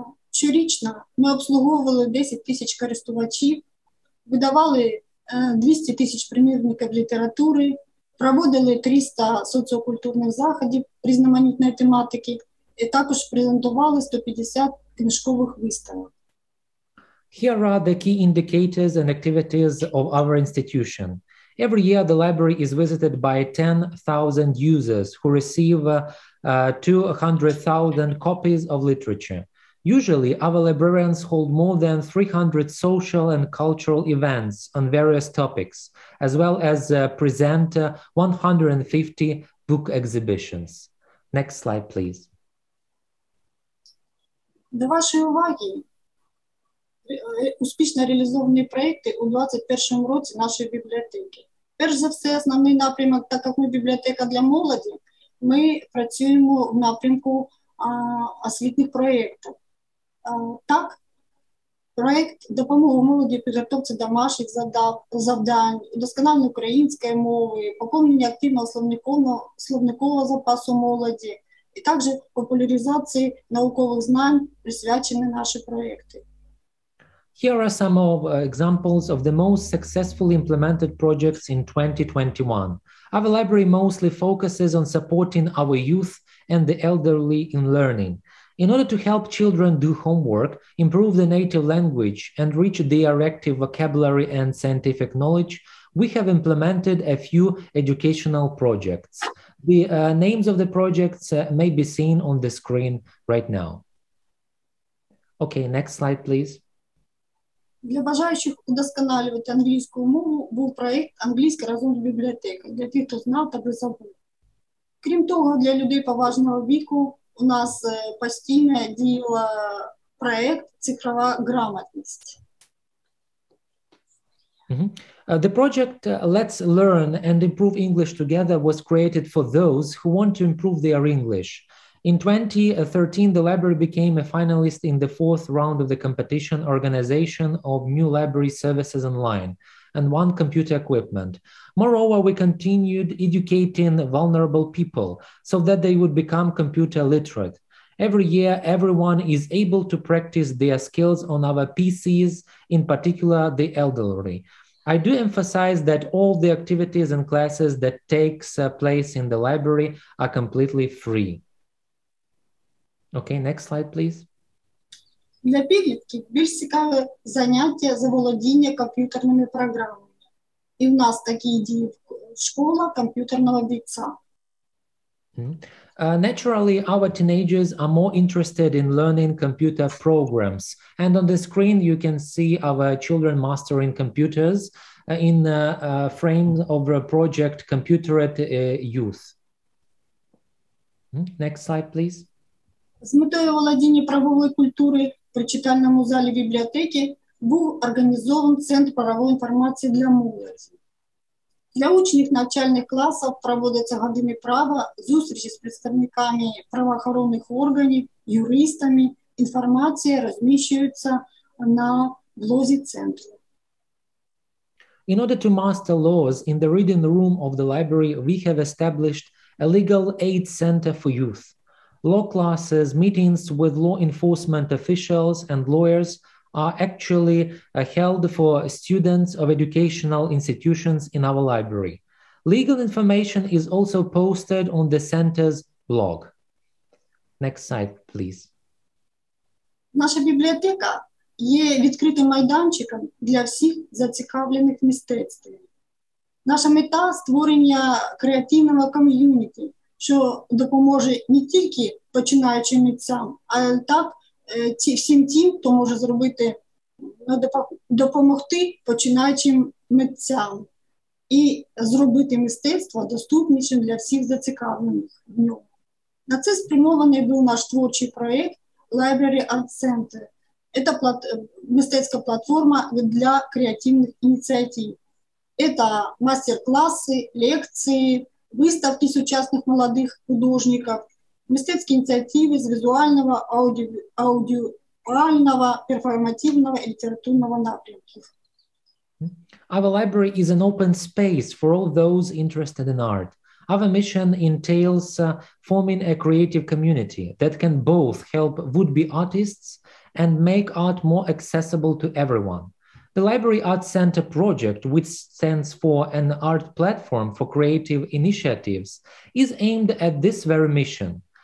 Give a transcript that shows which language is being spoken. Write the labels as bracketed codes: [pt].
[uk] Щорічно ми обслуговували 10 тисяч користувачів, видавали 200 тисяч примірників літератури, проводили 300 соціокультурних заходів різноманітної тематики і також презентували 150 книжкових виставок. [en] Here are the key indicators and activities of our institution. Every year, the library is visited by 10,000 users who receive 200,000 copies of literature. Usually, our librarians hold more than 300 social and cultural events on various topics, as well as present 150 book exhibitions. Next slide, please. [uk] До вашої уваги, успішно реалізовані проєкти у 21-му році нашої бібліотеки. Перш за все, основний напрямок, так як ми бібліотека для молоді, ми працюємо в напрямку освітніх проєктів. Так, проєкт «Допомога молоді підготовці домашніх завдань, удосконалення української мови, поповнення активного словникового запасу молоді і також популяризації наукових знань, присвячені наші проєкти». [en] Here are some of examples of the most successfully implemented projects in 2021. Our library mostly focuses on supporting our youth and the elderly in learning. In order to help children do homework, improve the native language, and reach their active vocabulary and scientific knowledge, we have implemented a few educational projects. The names of the projects may be seen on the screen right now. Okay, next slide, please. [uk] Для бажаючих удосконалювати англійську мову був проєкт «Англійська разом з бібліотекою» для тих, хто знав та забув. Крім того, для людей поважного віку у нас постійно діяв проєкт «Цифрова грамотність». [en] The project «Let's learn and improve English together» was created for those who want to improve their English. In 2013, the library became a finalist in the fourth round of the competition organization of new library services online and won computer equipment. Moreover, we continued educating vulnerable people so that they would become computer literate. Every year, everyone is able to practice their skills on our PCs, in particular the elderly. I do emphasize that all the activities and classes that takes place in the library are completely free. Окей, next slide, please. [uk] Для підлітків більш цікаве заняття заволодіння комп'ютерними програмами. І в нас такі дії школа комп'ютерного бійця. [en] Naturally, our teenagers are more interested in learning computer programs. And on the screen you can see our children mastering computers in the frame of a project Computer at Youth. Next slide, please. [uk] З метою володіння правової культури при читальному залі бібліотеки був організований Центр правової інформації для молоді. Для учнів навчальних класів проводяться години права, зустрічі з представниками правоохоронних органів, юристами. Інформація розміщується на блозі центру. [en] In order to master laws, in the reading room of the library, we have established a legal aid center for youth. Law classes, meetings with law enforcement officials and lawyers are actually held for students of educational institutions in our library. Legal information is also posted on the center's blog. Next slide, please. [uk] Наша бібліотека є відкритим майданчиком для всіх зацікавлених в мистецтві. Наша мета – створення креативного ком'юніті, що допоможе не тільки починаючим митцям, а так всім тим, хто може зробити, допомогти починаючим митцям і зробити мистецтво доступнішим для всіх зацікавлених в ньому. На це спрямований був наш творчий проєкт Library Art Center. Це мистецька платформа для креативних ініціатив. Це мастер-класи, лекції, виставки сучасних молодих художників, мистецькі ініціативи з візуального, аудіального, перформативного і літературного напрямків. [en] Our library is an open space for all those interested in art. Our mission entails forming a creative community that can both help would-be artists and make art more accessible to everyone. The Library Arts Center project, which stands for an art platform for creative initiatives, is aimed at this very mission.